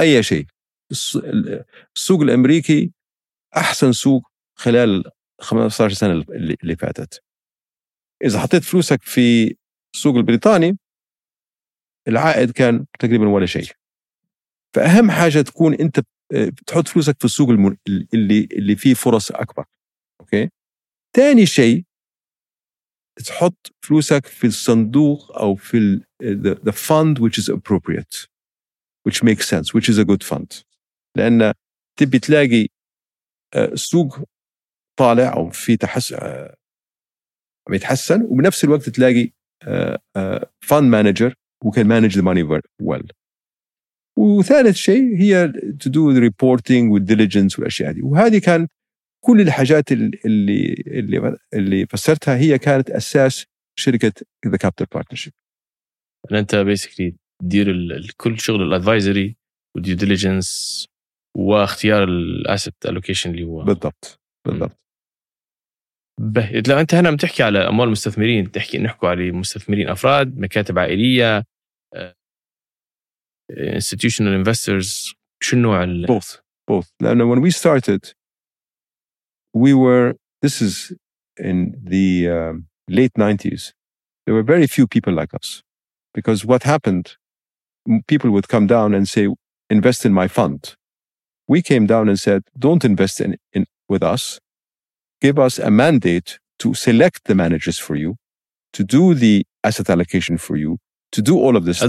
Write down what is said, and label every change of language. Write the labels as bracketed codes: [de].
[ar] أي شيء، السوق الأمريكي أحسن سوق خلال 15 سنة اللي فاتت. إذا حطيت فلوسك في السوق البريطاني العائد كان تقريبا ولا شيء. فأهم حاجة تكون أنت تحط فلوسك في السوق اللي فيه فرص أكبر. [en] Okay? [ar] تاني شيء تحط فلوسك في الصندوق أو في [en] the fund which is appropriate which makes sense which is a good fund. [ar] لأن تبي تلاقي السوق طالع أو في تحسن عم يتحسن وبنفس الوقت تلاقي [en] fund manager who can manage the money well. [ar] وثالث شيء هي [en] to do the reporting with diligence [ar] والأشياء دي. وهذه كان كل الحاجات اللي فسرتها هي كانت أساس شركة The Capital Partnership. أنت basically تدير كل شغل الأدفايزري والديو ديليجنس واختيار الأسيت ألوكيشن اللي هو بالضبط بالضبط. لو أنت هنا بتحكي على أموال المستثمرين تحكي نحكي على مستثمرين أفراد مكاتب عائلية [en] institutional investors [ar] شو النوع [en] both لأن when we started this is in the late 90s there were very few people like us because what happened people would come down and say invest in my fund we came down and said don't invest in with us give us a mandate to select the managers for you to do the asset allocation for you to do all of this